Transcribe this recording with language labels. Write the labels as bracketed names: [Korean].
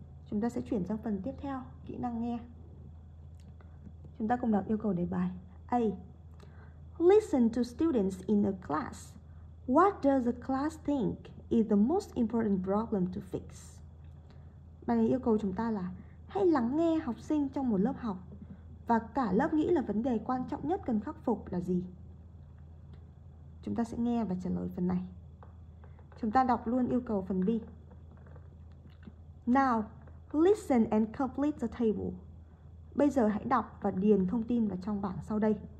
[Vietnamese] Chúng ta sẽ chuyển sang phần tiếp theo, kỹ năng nghe. Chúng ta cùng đọc yêu cầu đề bài. [English] A. Listen to students in a class. What does the class think is the most important problem to fix? [Vietnamese] Bài này yêu cầu chúng ta là hãy lắng nghe học sinh trong một lớp học và cả lớp nghĩ là vấn đề quan trọng nhất cần khắc phục là gì? Chúng ta sẽ nghe và trả lời phần này. Chúng ta đọc luôn yêu cầu phần B. [English] Now, listen and complete the table. [Vietnamese] Bây giờ hãy đọc và điền thông tin vào trong bảng sau đây.